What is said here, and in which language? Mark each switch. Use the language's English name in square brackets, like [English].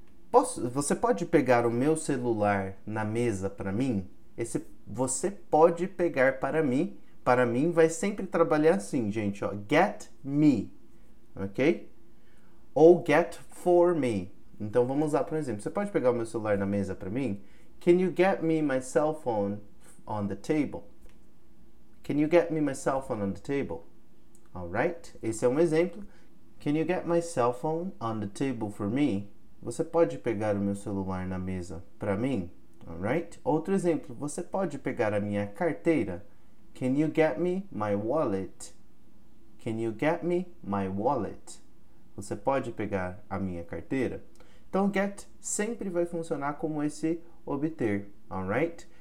[Portuguese] Você pode pegar o meu celular na mesa para mim? Esse você pode pegar para mim? Para mim vai sempre trabalhar assim, gente. [English] Ó, get me. Ok? Ou get for me. [Portuguese] Então, vamos lá, por exemplo. Você pode pegar o meu celular na mesa para mim? [English] Can you get me my cell phone on the table? Can you get me my cell phone on the table? Alright? [Portuguese] Esse é um exemplo. [English] Can you get my cell phone on the table for me? [Portuguese] Você pode pegar o meu celular na mesa para mim? Alright? Outro exemplo. Você pode pegar a minha carteira? [English] Can you get me my wallet? Can you get me my wallet? [Portuguese] Você pode pegar a minha carteira? Então, get sempre vai funcionar como esse obter, alright?